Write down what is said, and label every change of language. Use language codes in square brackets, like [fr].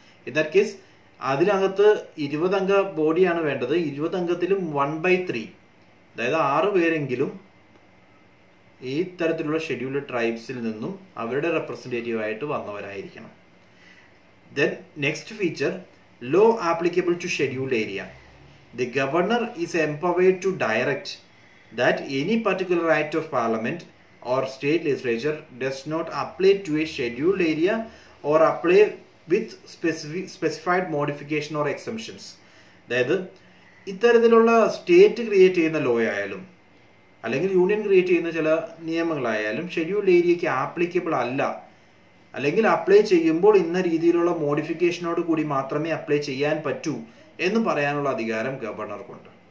[en] in that case [ml] അതിനകത്ത് 20 അംഗ ബോഡിയാണ് വേണ്ടത്. 20 അംഗത്തിലും 1/3, അതായത് 6 പേരെങ്കിലും ഈ തരത്തിലുള്ള ഷെഡ്യൂൾഡ് ട്രൈബ്സിൽ നിന്നും അവരുടെ റെപ്രസെൻറ്റേറ്റീവ് ആയിട്ട് വന്നവരായിരിക്കണം. [en] Then next feature, law applicable to scheduled area. The governor is empowered to direct that any particular act of parliament or state legislature does not apply to a scheduled area or apply with specified modification or exemptions. That is, [ml] ഇത്തരത്തിലുള്ള state create ചെയ്യുന്ന law ആയാലും അല്ലെങ്കിൽ union create ചെയ്യുന്ന ചില നിയമങ്ങളായാലും scheduled ഏരിയയ്ക്ക് applicable അല്ല, അല്ലെങ്കിൽ apply ചെയ്യുമ്പോൾ ഇന്ന രീതിയിലുള്ള മോഡിഫിക്കേഷനോട് കൂടി മാത്രമേ അപ്ലൈ ചെയ്യാൻ പറ്റൂ എന്ന് പറയാനുള്ള അധികാരം ഗവർണർക്കുണ്ട്.